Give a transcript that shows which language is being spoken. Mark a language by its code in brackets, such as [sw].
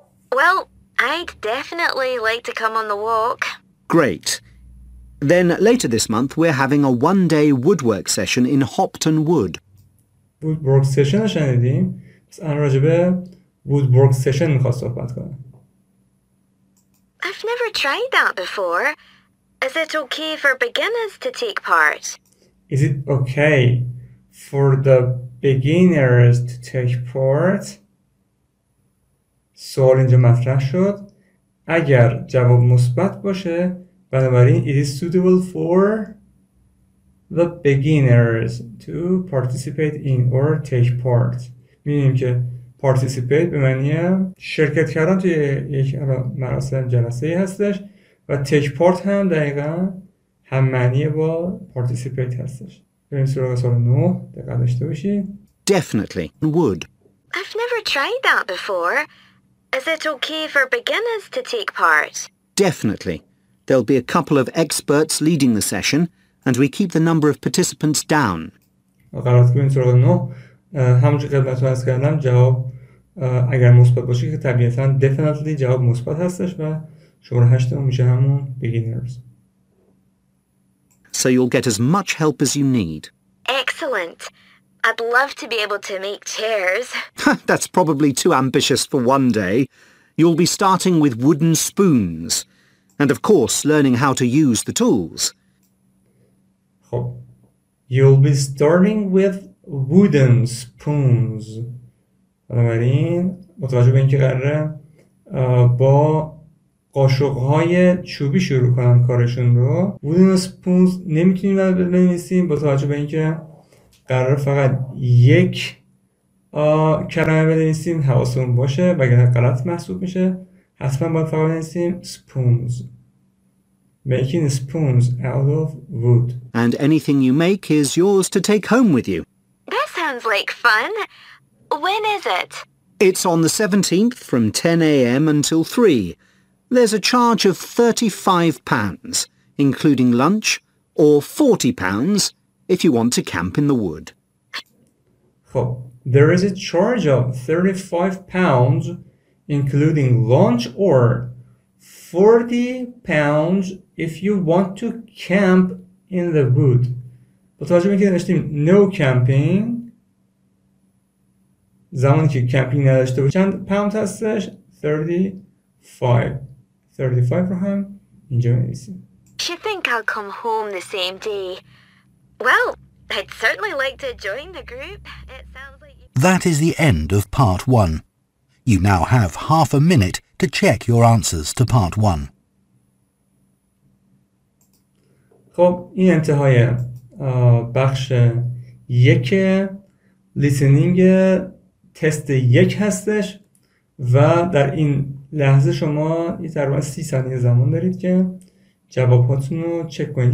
[en] Well, I'd definitely like to come on the walk. Great. Then later this month we're having a one day woodwork session in Hopton Wood. Woodwork session [fa] شنیدیم. پس الان راجع به woodwork session میخواست صحبت کنم. [en] I've never tried that before. Is it okay for beginners to take part? Is it okay for the beginners to take part? [fa] سوال اینجا مطرح شد. اگر جواب مثبت باشه، بنابراین [en] it is suitable for the beginners to participate in or take part. [fa] می‌بینیم که participate به معنی شرکت کردن توی یک مراسم جلسه هستش و take part هم دقیقا هم معنی با participate هستش. بریم سراغ سال 9، دقیقا داشته باشی. [en] Definitely would. I've never tried that before. Is it okay for beginners to take part? Definitely. There'll be a couple of experts leading the session and we keep the number of participants down. [fa] قرارت که بریم سراغ 9، همونجور خدمت رو از کردم، جواب اگر مثبت باشه که طبیعتاً definitely جواب مثبت هستش و شماره 8 میشه همون beginners. [en] so you'll get as much help as you need. Excellent. I'd love to be able to make chairs. That's probably too ambitious for one day. You'll be starting with wooden spoons. And of course, learning how to use the tools. You'll be starting with wooden spoons. [fa] بنابراین متوجه به این که قراره با قاشق‌های چوبی شروع کنن کارشون رو. Wooden spoons نمیتونیم بنویسیم با توجه به این که قراره فقط یک کلمه بنویسیم. حواسمون باشه وگرنه غلط محسوب میشه. حتما باید فقط بنویسیم spoons. [en] Making spoons out of wood. And anything you make is yours to take home with you. That sounds like fun. When is it? It's on the 17th from 10 a.m. until 3. There's a charge of £35, including lunch, or £40 if you want to camp in the wood. There is a charge of £35, including lunch, or £40 if you want to camp in the wood. No camping. [fa] زمانی که کمپینگ نداشته بود چند پاوند هستش؟ 35 رو هم اینجا می‌نویسیم. [en] She think I'll come home the same day. Well, I'd certainly like to join the group. It sounds like That is the end of part 1. You now have half a minute to check your answers to part 1. [fa] خب این انتهای بخش 1 لیسنینگ تست یک هستش و در این لحظه شما یه تقریباً 30 ثانیه زمان دارید که جواباتون رو چک کنید.